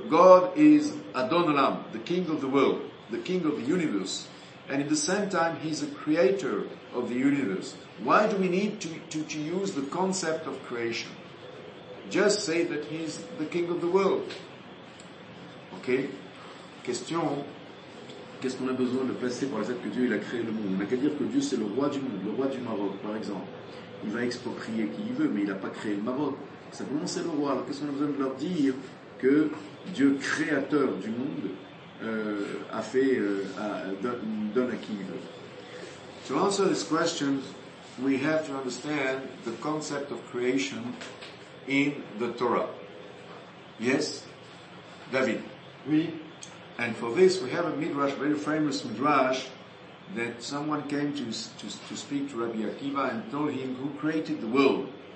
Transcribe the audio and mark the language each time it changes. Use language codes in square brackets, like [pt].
[en] God is Adon Olam, the king of the world, the king of the universe. And at the same time, he's a creator of the universe. Why do we need to use the concept of creation? Just say that he's the king of the world. Okay? Question. [fr] Qu'est-ce qu'on a besoin de passer par le fait que Dieu il a créé le monde? On n'a qu'à dire que Dieu c'est le roi du monde, le roi du Maroc par exemple. Il va exproprier qui il veut, mais il n'a pas créé le Maroc. Simplement c'est le roi. Alors qu'est-ce qu'on a besoin de leur dire que Dieu créateur du monde a fait, donne à qui il veut? [en] To answer this question, we have to understand the concept of creation in the Torah. Yes? David? [fr] Oui. [en] And for this, we have a midrash, very famous midrash, that someone came to speak to Rabbi Akiva and told him who created the world.